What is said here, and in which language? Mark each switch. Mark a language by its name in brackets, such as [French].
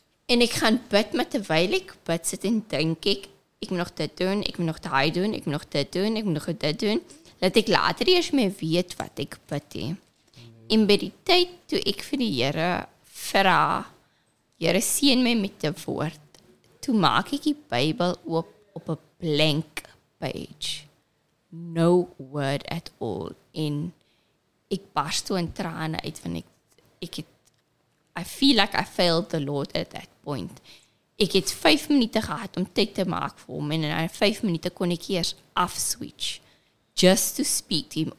[Afrikaans] En ek gaan bid, maar terwijl ek bid sit en denk ek, ek moet nog dit doen, ek moet nog daai doen, ek moet nog dit doen, ek moet nog dit doen, dat ek later eers my weet wat ek bid he. En by die tyd toe ek vir die Here vra, Here seën my met die woord, toe maak ek die Bybel oop op 'n blank page. [English] No word at all. [Afrikaans] En ek barst toe in trane uit, want ek het, [English] I feel like I failed the Lord at that point. [Afrikaans] Ek het 5 minute gehad om tyd te maak vir hom, en in 5 minute kon ek eers afswitch, [English] just to speak to him.